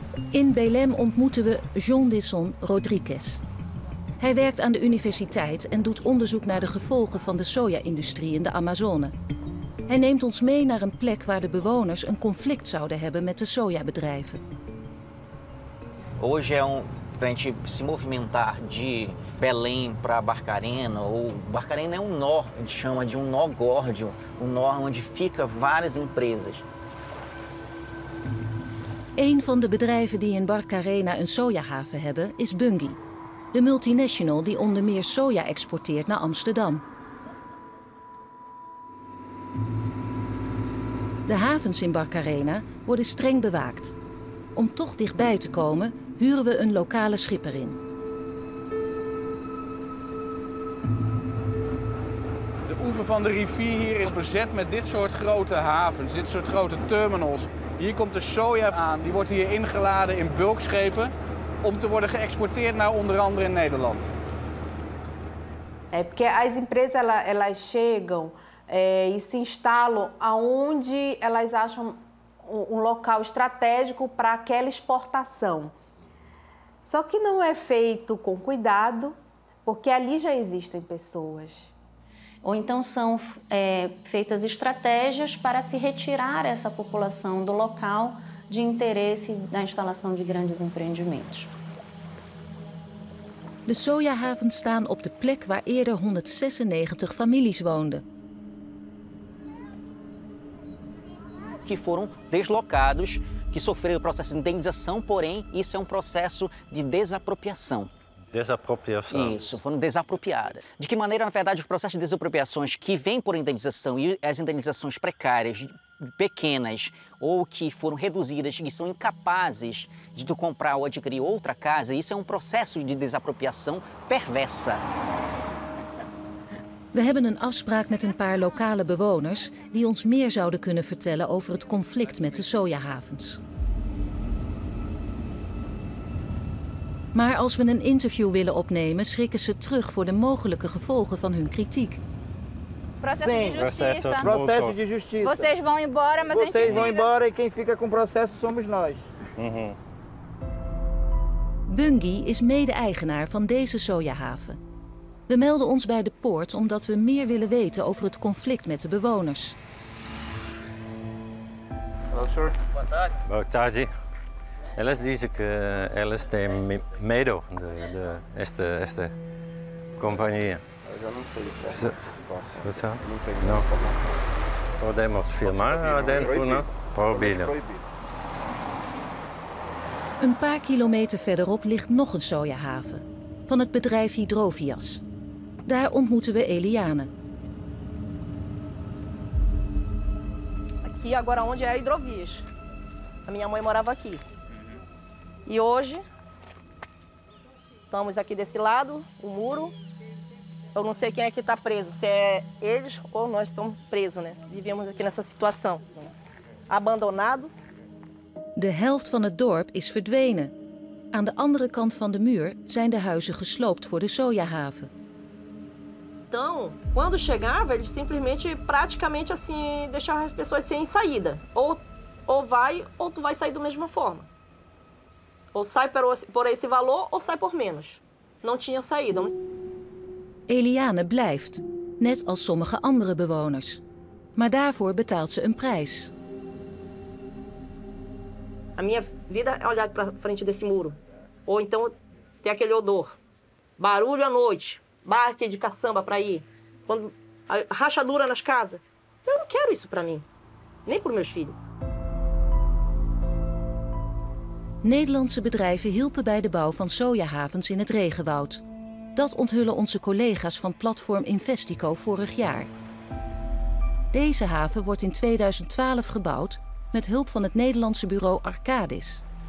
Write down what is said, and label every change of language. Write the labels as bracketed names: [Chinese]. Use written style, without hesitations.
[Dutch] In Belém ontmoeten we Jean Disson Rodrigues. Hij werkt aan de universiteit en doet onderzoek naar de gevolgen van de soja-industrie in de Amazone. Hij neemt ons mee naar een plek waar de bewoners een conflict zouden hebben met de sojabedrijven. [Portuguese] Hoje é pra gente se movimentar de Belém para Barcarena, ou Barcarena é um nó, a gente chama de um nó górdio, um nó onde fica várias empresas. [Dutch] Een van de bedrijven die in Barcarena een sojahaven hebben is Bunge. De multinational die onder meer soja exporteert naar Amsterdam. De havens in Barcarena worden streng bewaakt. Om toch dichtbij te komen, huren we een lokale schipper in. De oever van de rivier hier is bezet met dit soort grote havens, dit soort grote terminals. Hier komt de soja aan, die wordt hier ingeladen in bulkschepen om te worden geëxporteerd naar onder andere in Nederland. [Portuguese] É porque as empresas elas chegam e se instalam aonde elas acham um local estratégico para aquela exportação. Só que não é feito com cuidado, porque ali já existem pessoas. Ou então são feitas estratégias para se retirar essa população do local de interesse da instalação de grandes empreendimentos. [Dutch] De sojahavens staan op de plek waar eerder 196 families woonden. [Portuguese] Que foram deslocados, que sofreram processo de indenização, porém, isso é processo de desapropriação. Desapropriação. Isso, foram desapropriadas. De que maneira, na verdade, o processo de desapropriações que vem por indenização e as indenizações precárias, pequenas ou que foram reduzidas, que são incapazes de comprar ou adquirir outra casa, isso é processo de desapropriação perversa. [Dutch] We hebben een afspraak met een paar lokale bewoners die ons meer zouden kunnen vertellen over het conflict met de sojahavens. Maar als we een interview willen opnemen, schrikken ze terug voor de mogelijke gevolgen van hun kritiek. [Portuguese] Processo de justiça. Vocês vão embora, mas vocês a gente vão vira... embora e quem fica com o processo somos nós. [Dutch] Bunge is mede-eigenaar van deze sojahaven. We melden ons bij de poort omdat we meer willen weten over het conflict met de bewoners. [English] Hallo, sir. [Portuguese] Boa tarde. Boa tarde. Eles dizem que eles têm medo de esta companhia. Eu já não sei o que é. Não tenho informação. podemos filmar dentro, né? Proibido. [Dutch] Een paar kilometer verderop ligt nog een sojahaven van het bedrijf Hydrovias. Daar ontmoeten we Eliane. [Portuguese] Aqui agora onde é a Hydrovias. A minha mãe morava aqui. E hoje estamos aqui desse lado, o muro. Eu não sei quem é que está preso, se é eles ou nós estamos presos, né? Vivemos aqui nessa situação. Abandonado. [Dutch] De helft van het dorp is verdwenen. Aan de andere kant van de muur zijn de huizen gesloopt voor de sojahaven. [Portuguese] Então, quando chegava, eles simplesmente praticamente assim deixavam as pessoas sem saída. Ou vai ou tu vai sair da mesma forma. Ou sai por esse valor ou sai por menos. Não tinha saída. [Dutch] Eliane blijft, net als sommige andere bewoners. Maar daarvoor betaalt ze een prijs. [Portuguese] A minha vida é olhar para frente desse muro. Ou então ter aquele odor. Barulho à noite, barque de caçamba para ir. Quando a rachadura nas casas. Eu não quero isso para mim, nem para meus filhos. [Dutch] Nederlandse bedrijven hielpen bij de bouw van sojahavens in het regenwoud. Dat onthullen onze collega's van Platform Investico vorig jaar. Deze haven wordt in 2012 gebouwd met hulp van het Nederlandse bureau Arcadis.